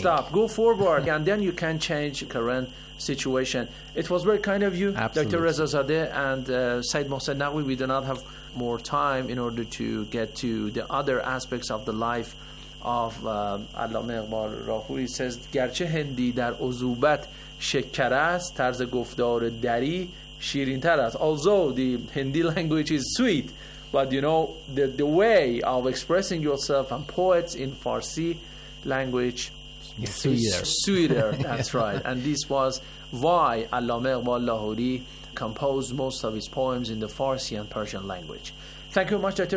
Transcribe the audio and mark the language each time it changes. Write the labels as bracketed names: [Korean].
[English] Stop, go forward, and then you can change current situation. It was very kind of you, Absolutely. Dr. Reza Zadeh and Said Mohsen Naqvi. We do not have more time in order to get to the other aspects of the life of Allama Iqbal Rahoui. He says, [Persian] گرچه هندی در عذوبت شکر است، طرز گفتار دری شیرین تر است. [English] Although the Hindi language is sweet, but you know, the way of expressing yourself and poets in Farsi language is sweeter. That's right. And this was why Allama Iqbal Lahori composed most of his poems in the Farsi and Persian language. Thank you much, Dr.